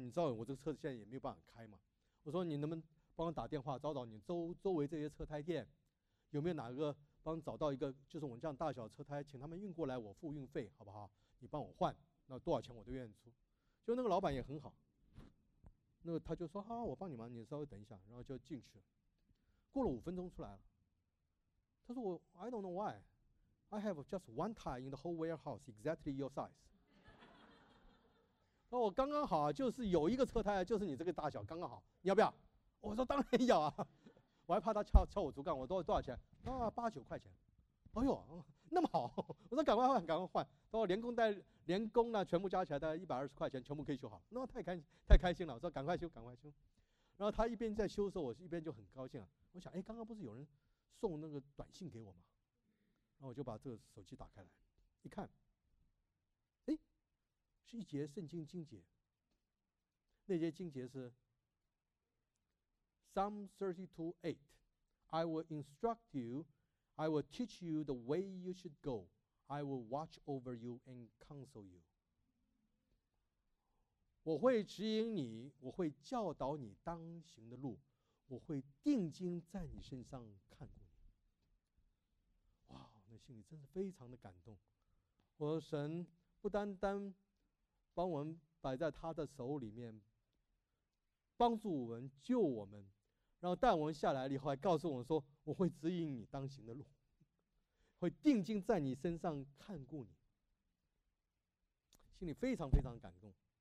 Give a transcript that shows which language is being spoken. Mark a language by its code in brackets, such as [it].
[zh] 你知道我这个车子现在也没有办法开嘛。” 我说：“你能不能？” 帮我打电话找找你周围这些车胎店，有没有哪个帮找到一个就是我们这样大小的车胎，请他们运过来，我付运费，好不好？你帮我换，那多少钱我都愿意出。就那个老板也很好，那个他就说啊，我帮你忙，你稍微等一下，然后就进去了。过了5分钟出来了，他说我 [en] I don't know why， I have just one tire in the whole warehouse exactly your size。 [zh] 那我刚刚好就是有一个车胎就是你这个大小刚刚好，你要不要？我说当然要啊，我还怕他敲我竹杠。我说多少钱啊？8-9块钱。哎呦，那么好！我说赶快换，赶快换。到连工呢，全部加起来大概120块钱，全部可以修好。那太开心了。我说赶快修，赶快修。然后他一边在修的时候，我一边就很高兴了。我想，哎，刚刚不是有人送那个短信给我吗？然后我就把这个手机打开来，一看，哎，是一节圣经经节。那节经节是。 [en] Psalm 32:8 I will instruct you, I will teach you the way you should go, I will watch over you and counsel you. [zh] 我会指引你，我会教导你当行的路，我会定睛在你身上看顾你。哇，那心里真是非常的感动。我说神不单单帮我们摆在他的手里面，帮助我们，救我们，然后带我们下来了以后还告诉我说，我会指引你当行的路，会定睛在你身上看顾你，心里非常非常感动。